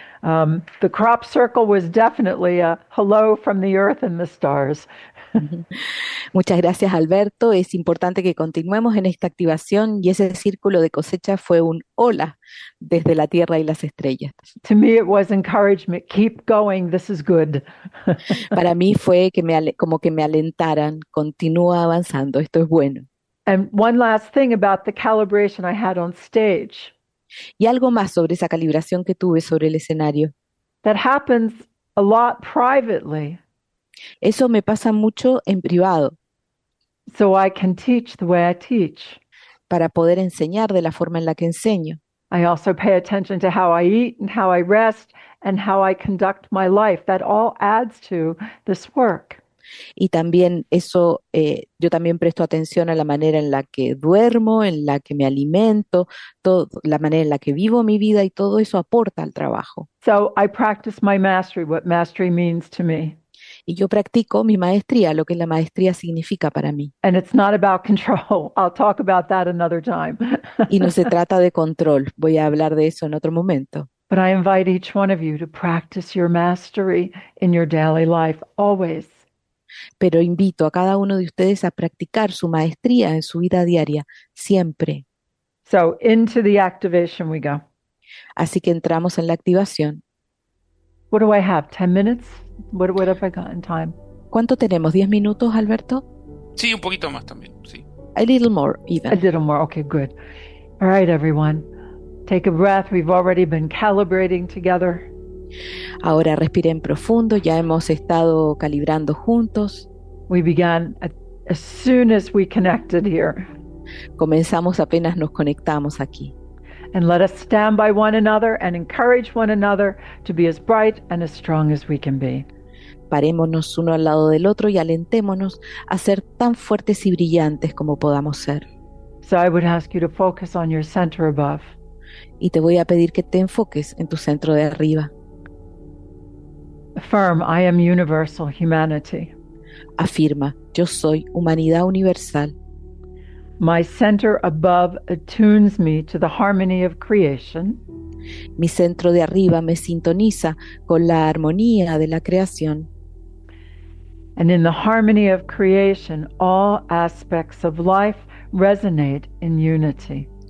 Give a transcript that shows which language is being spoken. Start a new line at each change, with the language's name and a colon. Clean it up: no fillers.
English: The crop circle was definitely a hello from the earth and the stars.
Spanish: Muchas gracias, Alberto. Es importante que continuemos en esta activación y ese círculo de cosecha fue un hola desde la tierra y las estrellas.
English: To me it was encouragement. Keep going. This is good.
Spanish: Para mí fue que como que me alentaran. Continúa avanzando. Esto es bueno.
English: And one last thing about the calibration I had on stage.
Spanish: Y algo más sobre esa calibración que tuve sobre el escenario.
English: That happens a lot privately.
Spanish: Eso me pasa mucho en privado.
English: So I can teach the way I teach.
Spanish: Para poder enseñar de la forma en la que enseño.
English: I also pay attention to how I eat and how I rest and how I conduct my life. That all adds to this work.
Spanish: Y también eso, yo también presto atención a la manera en la que duermo, en la que me alimento, todo, la manera en la que vivo mi vida y todo eso aporta al trabajo.
English: So I practice my mastery, what mastery means to me.
Spanish: Y yo practico mi maestría, lo que la maestría significa para mí.
English: And it's not about control. I'll talk about that another time.
Spanish: Y no se trata de control, voy a hablar de eso en otro momento.
English: But I invite each one of you to practice your mastery in your daily life, always.
Spanish: Pero invito a cada uno de ustedes a practicar su maestría en su vida diaria, siempre.
English: So into the activation we go.
Spanish: Así que entramos en la activación.
English: What do I have? 10 minutes? What have I got in time?
Spanish: ¿Cuánto tenemos? ¿10 minutos, Alberto? Sí, un poquito más también, sí.
English: A little more, even. A little more, okay, good. All right, everyone. Take a breath. We've already been calibrating together.
Spanish: Ahora respiren profundo, ya hemos estado calibrando juntos.
English: We began as soon as we connected here.
Spanish: Comenzamos apenas nos conectamos aquí.
English: And let us stand by one another and encourage one another to be as bright and as strong as we can be.
Spanish: Parémonos uno al lado del otro y alentémonos a ser tan fuertes y brillantes como podamos ser.
English: So I would ask you to focus on your center above.
Spanish: Y te voy a pedir que te enfoques en tu centro de arriba.
English: Affirm, I am universal humanity.
Spanish: Afirma, yo soy humanidad universal.
English: My center above attunes me to the harmony of creation.
Spanish: Mi centro de arriba me sintoniza con la armonía de la creación.
English: And in the harmony of creation, all aspects of life resonate in unity.